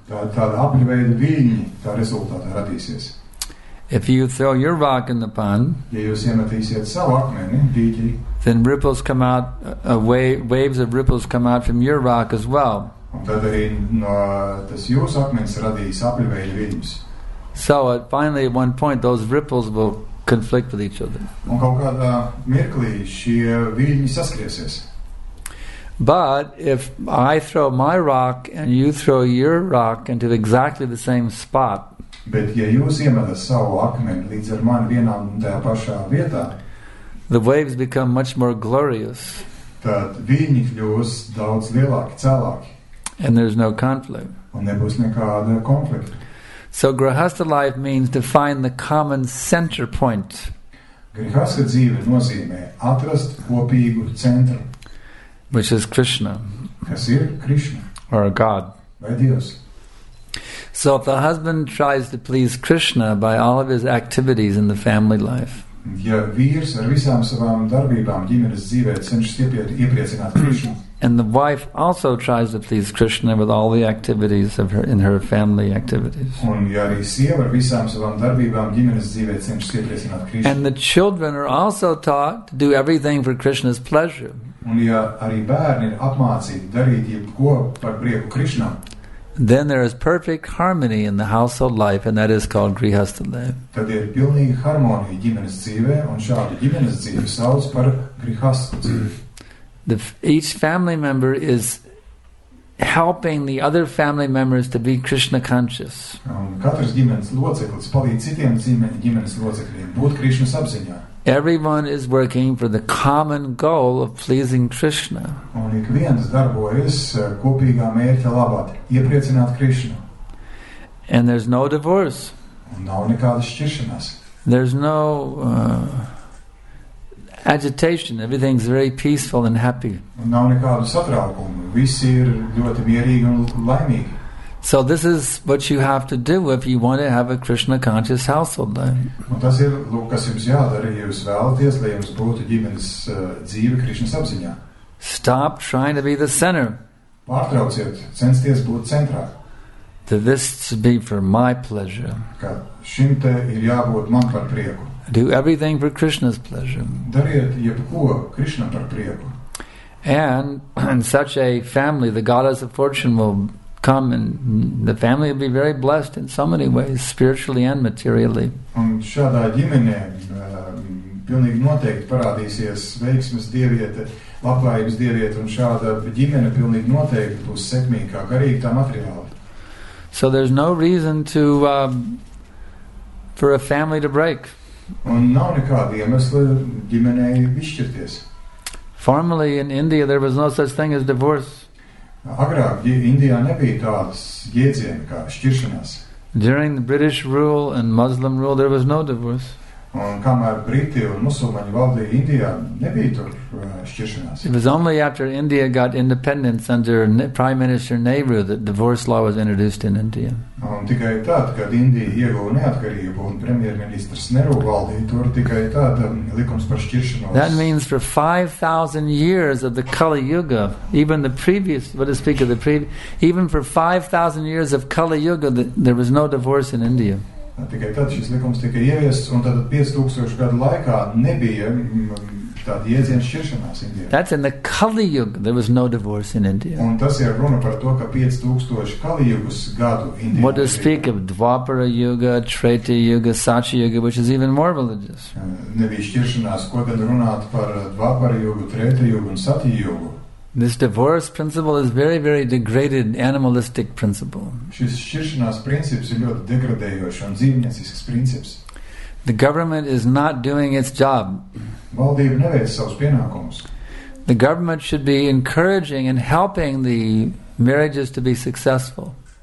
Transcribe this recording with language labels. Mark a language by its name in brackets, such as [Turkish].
[Latvian] Tāda apļveida viļņi tā rezultātā radīsies. [English] If you throw your rock in the pond, [Latvian] ja jūs iemetīsiet savu akmeni, dīķi, [English] then ripples come out, waves of ripples come out from your rock as well. [Latvian] Un tad arī no tas jūsu akmens radīs apļveida viļņus. [English] So at finally at one point those ripples will conflict with each other. [Latvian] Un kaut kādā mirklī šie viļņi saskriesies. [English] But if I throw my rock and you throw your rock into exactly the same spot, [Latvian] bet ja jūs iemetat savu akmeni līdz ar mani vienā un tajā pašā vietā, [English] the waves become much more glorious. [Latvian] Tad viļņi kļūs daudz lielāki, cēlāki. [English] And there's no conflict. [Latvian] Un nebūs nekāda konflikta. [English] So grihastha life means to find the common center point. [Latvian] Grihastha dzīve nozīmē atrast kopīgu centru. [English] Which is Krishna. [Latvian] Kas ir Krishna. [English] Or God. [Latvian] Vai Dievs. [English] So if the husband tries to please Krishna by all of his activities in the family life, [Latvian] ja vīrs ar visām savām darbībām ģimenes dzīvē cenšas iepriecināt Krishna, [English] and the wife also tries to please Krishna with all the activities of her in her family activities, [Latvian] un ja arī sieva ar visām savām darbībām ģimenes dzīvē cenšas iepriecināt Krishna, [English] and the children are also taught to do everything for Krishna's pleasure, [Latvian] un ja arī bērni ir apmācīti darīt jebko par prieku Krishna, [English] then there is perfect harmony in the household life, and that is called grihastha life. [Latvian] Tad ir pilnīga harmonija ģimenes dzīvē, un šāda ģimenes dzīve sauc par grihastha dzīvi. [English] Each family member is helping the other family members to be Krishna conscious. [Latvian] Katras ģimenes loceklis palīdz citiem ģimenes locekļiem būt Krishna apziņā. [English] Everyone is working for the common goal of pleasing Krishna. [Latvian] Un ik viens darbojas kopīgā mērķa labā, iepriecināt Krishna. [English] And there's no divorce. [Latvian] Un nav nekādas šķiršanās. [English] There's no agitation. Everything's very peaceful and happy. [Latvian] Nav nekādu satraukumu. Visi ir ļoti mierīgi un laimīgi. [English] So this is what you have to do if you want to have a Krishna conscious household. [Latvian] Un tas ir, lūk, kas jums jādara, ja jūs vēlaties, lai jums būtu ģimenes dzīve Krishna apziņā. [English] Stop trying to be the center. [Latvian] Pārtrauciet, censties būt centrā. [English] That this should be for my pleasure. [Latvian] Ka šim te ir jābūt man par prieku. [English] Do everything for Krishna's pleasure. [Latvian] Dariet jebko Krishna par prieku. [English] And in such a family, the goddess of fortune will come and the family will be very blessed in so many ways, spiritually and materially. [Latvian] Un šādā ģimenē pilnīgi noteikti parādīsies veiksmes dieviete, labklājības dieviete, un šāda ģimene pilnīgi noteikti būs sekmīgā, garīgi tā materiāli. [English] So there's no reason to for a family to break. [Latvian] Un nav nekāda iemesla ģimenei izšķirties. [English] Formerly in India there was no such thing as divorce. [Latvian] Agrāk Indijā nebija tādas jēdzieni kā šķiršanās. [English] During the British rule and Muslim rule there was no divorce. [Latvian] Un kamēr Briti un musulmaņi valdīja Indijā, nebija tur šķiršanās. [English] It was only after India got independence under Prime Minister Nehru that divorce law was introduced in India. [Latvian] Un tikai tad, kad Indija ieguva neatkarību un premjerministrs Nehru valdīja, tur tikai tad likums par šķiršanos. [English] That means for 5,000 years of the Kali Yuga, even the previous, what to speak of the previous, even for 5,000 years of Kali Yuga, there was no divorce in India. [Latvian] Tikai tad šis likums tika ieviests, un tad 5000 gadu laikā nebija tāda jēdziena šķiršanās Indijā. [English] That's in the Kali Yuga, there was no divorce in India. [Latvian] Un tas ir runa par to, ka 5000 Kali Yugas gadu Indijā. [English] What to speak of Dvapara Yuga, Treta Yuga, Satya Yuga, which is even more religious. [Latvian] Nebija šķiršanās, ko gan runāt par Dvapara Yugu, Treta Yugu un Satya Yugu. [English] This divorce principle is very, very degraded animalistic principle. [Latvian] Šis šķiršanās princips ir ļoti degradējošs un dzīvniecisks princips. [English] The government is not doing its job. [Latvian] Valdība neveic savus pienākumus. [English] The government should be encouraging and helping the marriages to be successful.